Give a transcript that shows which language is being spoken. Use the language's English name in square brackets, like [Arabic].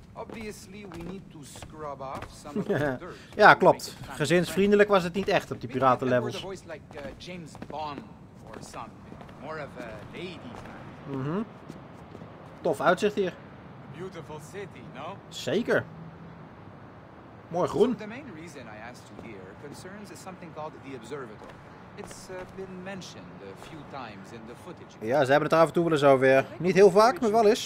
[English] Obviously we need to scrub off some of the dirt. [Dutch] Ja, klopt. Gezinsvriendelijk was het niet echt op die piraten levels. [English] Maybe voice like James Bond or something. More of a lady. [Dutch] Mhm. Tof uitzicht hier. [English] A beautiful city, no? [Dutch] Zeker. Mooi groen. [English] So the main reason I asked you here concerns is something called the observatory. It's been mentioned a few times in the footage. [Dutch] Ja, ze hebben het er af en toe wel eens over. Niet heel vaak, maar wel eens.